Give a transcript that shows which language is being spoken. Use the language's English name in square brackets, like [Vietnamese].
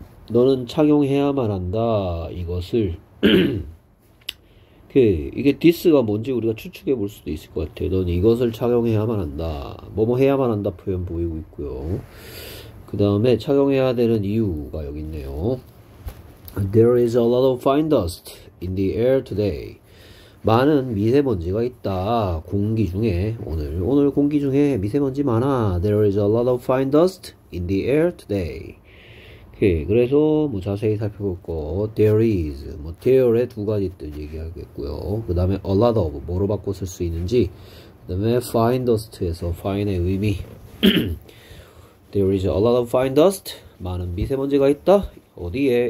[Korean] 너는 착용해야만 한다, 이것을. 이게 this가 뭔지 우리가 추측해 볼 수도 있을 것 같아요. 넌 이것을 착용해야만 한다. 뭐뭐 해야만 한다 표현 보이고 있고요. 그 다음에 착용해야 되는 이유가 여기 있네요. [English] There is a lot of fine dust in the air today. [Korean] 많은 미세먼지가 있다. 공기 중에 오늘 공기 중에 미세먼지 많아. [English] There is a lot of fine dust in the air today. [Korean] 오케이, 그래서 뭐 자세히 살펴볼 거. There is 뭐 there의 두 가지 뜻 얘기하겠고요. 그 다음에 a lot of 뭐로 바꿔 쓸수 있는지. 그 다음에 fine dust에서 fine의 의미. [English] There is a lot of fine dust. [Korean] 많은 미세먼지가 있다. 어디에?